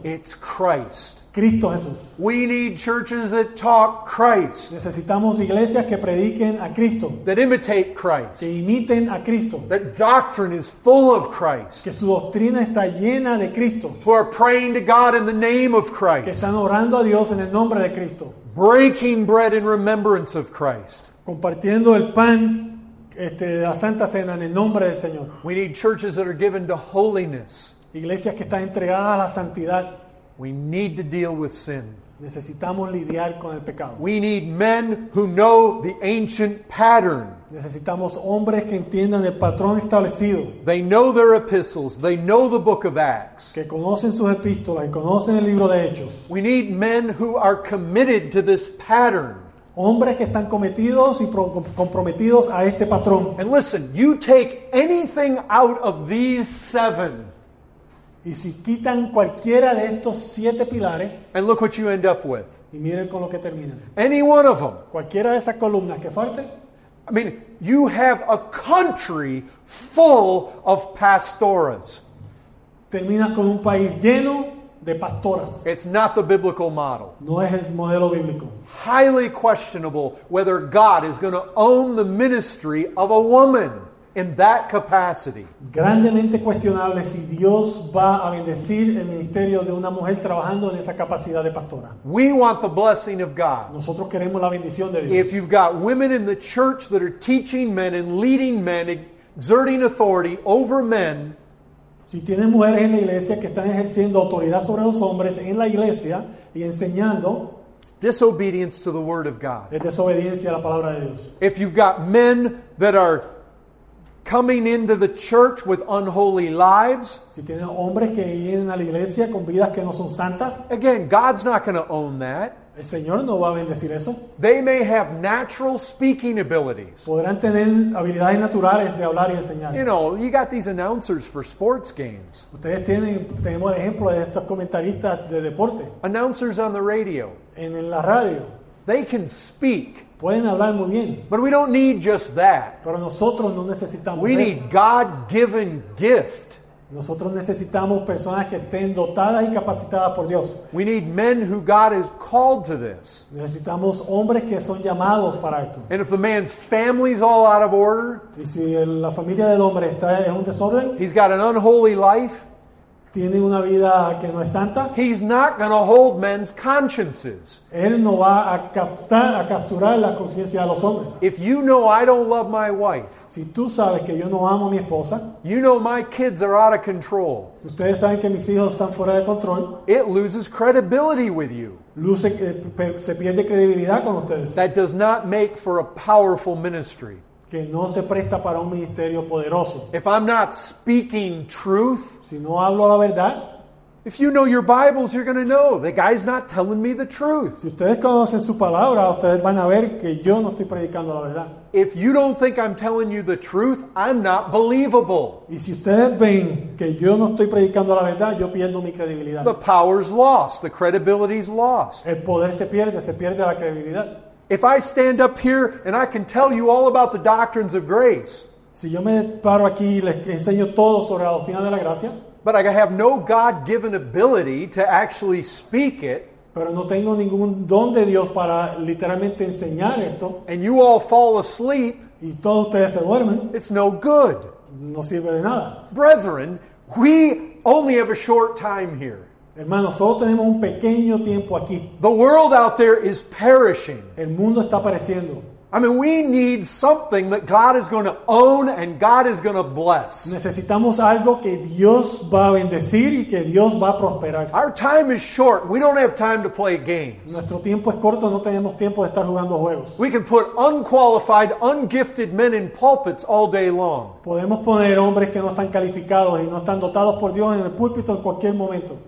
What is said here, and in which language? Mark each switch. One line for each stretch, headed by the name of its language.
English: It's Christ.
Spanish: Cristo Jesús.
English: We need churches that talk Christ.
Spanish: Necesitamos iglesias que prediquen a Cristo.
English: That imitate Christ.
Spanish: Que imiten a Cristo.
English: That doctrine is full of Christ.
Spanish: Que su doctrina está llena de Cristo.
English: Who are praying to God in the name of Christ.
Spanish: Que están orando a Dios en el nombre de Cristo.
English: Breaking bread in remembrance of Christ.
Spanish: Compartiendo el pan, la Santa Cena en el nombre del Señor.
English: We need churches that are given to holiness.
Spanish: Iglesias que están entregadas a la santidad.
English: We need to deal with sin.
Spanish: Necesitamos lidiar con el pecado.
English: We need men who know the ancient pattern.
Spanish: Necesitamos hombres que entiendan el patrón establecido.
English: They know their epistles. They know the book of Acts.
Spanish: Que conocen sus epístolas y conocen el libro de Hechos.
English: We need men who are committed to this pattern.
Spanish: Hombres que están cometidos y comprometidos a este patrón.
English: And listen, you take anything out of these seven.
Spanish: Y si quitan cualquiera de estos siete pilares.
English: And look what you end up with.
Spanish: Y miren con lo que terminan.
English: Any one of them.
Spanish: Cualquiera de esas columnas que falte.
English: I mean, you have a country full of pastoras.
Spanish: Terminas con un país lleno de pastoras.
English: It's not the biblical model.
Spanish: No es el modelo bíblico.
English: Highly questionable whether God is going to own the ministry of a woman in that capacity.
Spanish: Grandemente cuestionable si Dios va a bendecir el ministerio de una mujer trabajando en esa capacidad de pastora.
English: We want the blessing of God.
Spanish: Nosotros queremos la bendición de Dios.
English: If you've got women in the church that are teaching men and leading men, exerting authority over men.
Spanish: Si tienen mujeres en la iglesia que están ejerciendo autoridad sobre los hombres en la iglesia y enseñando,
English: it's disobedience to the word of God.
Spanish: Es desobediencia a la palabra de Dios.
English: If you've got men that are coming into the church with unholy lives,
Spanish: si tienen hombres que vienen a la iglesia con vidas que no son santas,
English: again, God's not going to own that.
Spanish: El Señor no va a bendecir eso.
English: They may have natural speaking abilities.
Spanish: Podrán tener habilidades naturales de hablar y enseñar.
English: You know, you got these announcers for sports games.
Spanish: Ustedes tenemos el ejemplo de estos comentaristas de deporte.
English: Announcers on the radio.
Spanish: En la radio.
English: They can speak.
Spanish: Pueden hablar muy bien.
English: But we don't need just that.
Spanish: Pero nosotros no necesitamos
English: we
Spanish: eso.
English: We need God-given gift.
Spanish: Nosotros necesitamos personas que estén dotadas y capacitadas por Dios.
English: We need men who God has called to this.
Spanish: Necesitamos hombres que son llamados para esto.
English: And if the man's family's all out of order,
Spanish: y si la familia del hombre está en un desorden,
English: he's got an unholy life,
Spanish: tiene una vida que no es santa,
English: he's not going to hold men's consciences.
Spanish: Él no va a captar, a capturar la conciencia de los hombres.
English: If you know I don't love my wife,
Spanish: si tú sabes que yo no amo a mi esposa,
English: you know my kids are out of control.
Spanish: Ustedes saben que mis hijos están fuera de control.
English: It loses credibility with you.
Spanish: Se pierde credibilidad con ustedes.
English: That does not make for a powerful ministry.
Spanish: Que no se presta para un ministerio poderoso.
English: If I'm not speaking truth,
Spanish: si no hablo la verdad,
English: if you know your Bibles, you're going to know the guy's not telling me the truth.
Spanish: Si ustedes conocen su palabra, ustedes van a ver que yo no estoy predicando la verdad.
English: If you don't think I'm telling you the truth, I'm not believable.
Spanish: Y si ustedes ven que yo no estoy predicando la verdad, yo pierdo mi credibilidad.
English: The power's lost. The credibility's lost.
Spanish: El poder se pierde la credibilidad.
English: If I stand up here and I can tell you all about the doctrines of grace,
Spanish: si yo me paro aquí y les enseño todo sobre la doctrina de la gracia,
English: but I have no God-given ability to actually speak it,
Spanish: pero no tengo ningún don de Dios para literalmente enseñar esto,
English: and you all fall asleep,
Spanish: y todos ustedes se duermen,
English: it's no good.
Spanish: No sirve de nada.
English: Brethren, we only have a short time here.
Spanish: Hermanos, solo tenemos un pequeño tiempo aquí.
English: The world out there is perishing.
Spanish: El mundo está pereciendo.
English: I mean, we need something that God is going to own and God is going to bless.
Spanish: Necesitamos algo que Dios va a bendecir y que Dios va a prosperar.
English: Our time is short. We don't have time to play games.
Spanish: Nuestro tiempo es corto, no tenemos tiempo de estar jugando juegos.
English: We can put unqualified, ungifted men in pulpits all day long.
Spanish: Podemos poner hombres que no están calificados y no están dotados por Dios en el púlpito en cualquier momento.